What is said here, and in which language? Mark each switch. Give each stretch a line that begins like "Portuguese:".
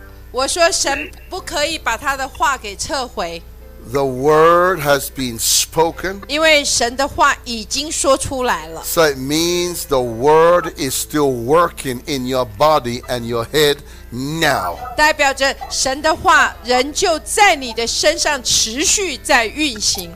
Chinese: 我说神不可以把他的话给撤回。
English: The word has been spoken.
Chinese: 因为神的话已经说出来了。
English: So it means the word is still working in your body and your head now.
Chinese: 代表着神的话仍旧在你的身上持续在运行。